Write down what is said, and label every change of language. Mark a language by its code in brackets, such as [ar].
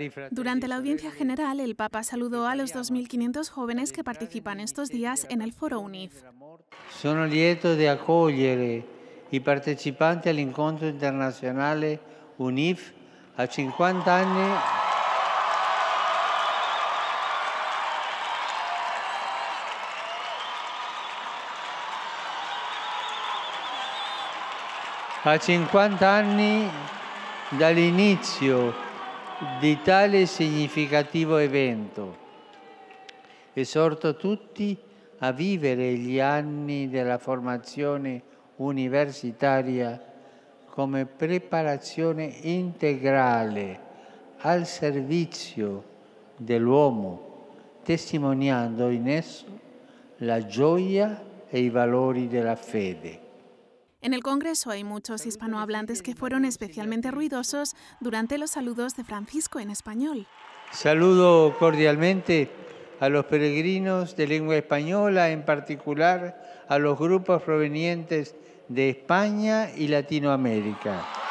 [es] Durante la audiencia general, el Papa saludó a los 2.500 jóvenes que participan estos días en el Foro UNIF. [it] Sono lieto di accogliere i partecipanti all'incontro internazionale UNIF a 50 anni. A 50 anni dall'inizio di tale significativo evento, esorto tutti a vivere gli anni della formazione universitaria come preparazione integrale al servizio dell'uomo, testimoniando in esso la gioia e i valori della fede. [es] En el Congreso hay muchos hispanohablantes que fueron especialmente ruidosos durante los saludos de Francisco en español. Saludo cordialmente a los peregrinos de lengua española, en particular a los grupos provenientes de España y Latinoamérica.